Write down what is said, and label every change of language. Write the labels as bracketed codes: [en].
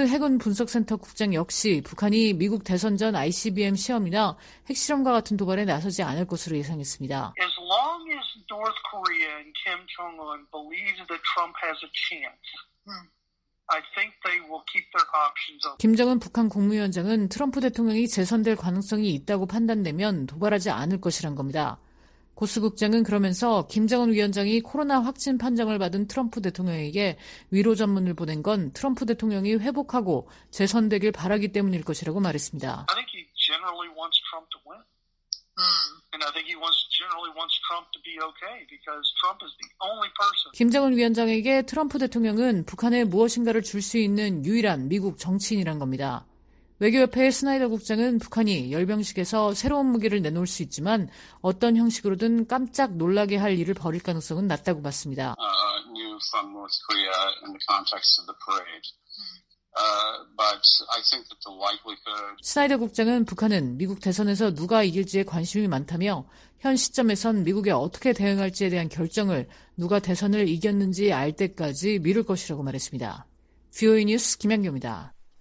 [ko] 해군 분석센터 국장 역시 북한이 미국 대선 전 ICBM 시험이나 핵실험과 같은 도발에 나서지 않을 것으로 예상했습니다. [en] As long as North Korea and Kim Jong-un believe that Trump has a chance, I think they will keep their options open. [ko] 김정은 북한 국무위원장은 트럼프 대통령이 재선될 가능성이 있다고 판단되면 도발하지 않을 것이란 겁니다. 고스 국장은 그러면서 김정은 위원장이 코로나 확진 판정을 받은 트럼프 대통령에게 위로 전문을 보낸 건 트럼프 대통령이 회복하고 재선되길 바라기 때문일 것이라고 말했습니다. [en] I think he generally wants Trump to win. And I think he wants generally wants Trump to be okay because Trump is the only person. [ko] 김정은 위원장에게 트럼프 대통령은 북한에 무엇인가를 줄 수 있는 유일한 미국 정치인이란 겁니다. 외교협회의 스나이더 국장은 북한이 열병식에서 새로운 무기를 내놓을 수 있지만 어떤 형식으로든 깜짝 놀라게 할 일을 벌일 가능성은 낮다고 봤습니다. [en] New from North Korea in the context of the parade. But I think that the likelihood... [ko] 스나이더 국장은 북한은 미국 대선에서 누가 이길지에 관심이 많다며 현 시점에선 미국에 어떻게 대응할지에 대한 결정을 누가 대선을 이겼는지 알 때까지 미룰 것이라고 말했습니다. VOA 뉴스 김양규입니다.